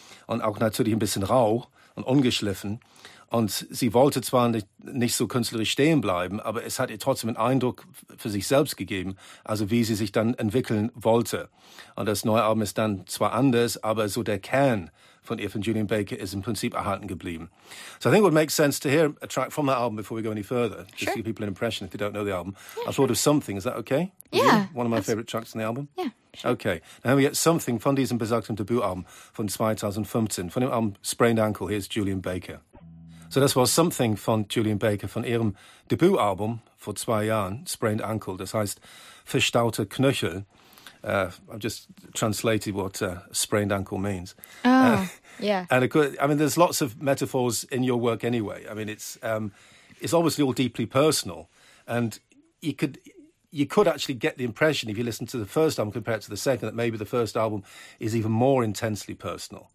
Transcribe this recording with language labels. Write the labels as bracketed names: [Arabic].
[German] Und auch natürlich ein bisschen rau und ungeschliffen. Und sie wollte zwar nicht so künstlerisch stehen bleiben, aber es hat ihr trotzdem einen Eindruck für sich selbst gegeben, also wie sie sich dann entwickeln wollte. Und das neue Album ist dann zwar anders, aber so der Kern von ihr, von Julian Baker, ist im Prinzip erhalten geblieben. [English] So I think it would make sense to hear a track from that album before we go any further. Sure. Just give people an impression if they don't know the album. Yeah, I thought of Something. Is that okay? Yeah. One of my favorite tracks on the album? Yeah, sure. [German] Okay. Now we get Something von diesem besagten Debütalbum von 2015. Von dem Album Sprained Ankle, [English] here's Julian Baker. [German] So das war Something von Julian Baker von ihrem Debütalbum vor 2 Jahren, Sprained Ankle, das heißt verstaute Knöchel. [English] I've just translated what sprained ankle means. Yeah. And of course, I mean, there's lots of metaphors in your work anyway. I mean, it's obviously all deeply personal. And you could actually get the impression, if you listen to the first album compared to the second, that maybe the first album is even more intensely personal.